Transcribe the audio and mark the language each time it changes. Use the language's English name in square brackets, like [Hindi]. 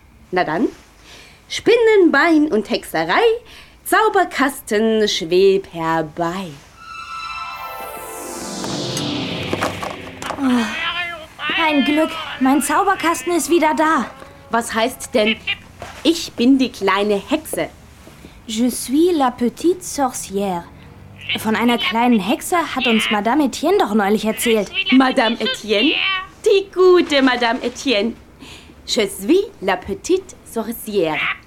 [German] Na dann, Spinnenbein und Hexerei, Zauberkasten schweb herbei. Oh. Mein Glück, mein Zauberkasten ist wieder da. Was heißt denn, ich bin die kleine Hexe? [French] Je suis la petite sorcière. [German] Von einer kleinen Hexe hat uns Madame Etienne doch neulich erzählt. Madame Etienne? Die gute Madame Etienne. [French] Je suis la petite sorcière.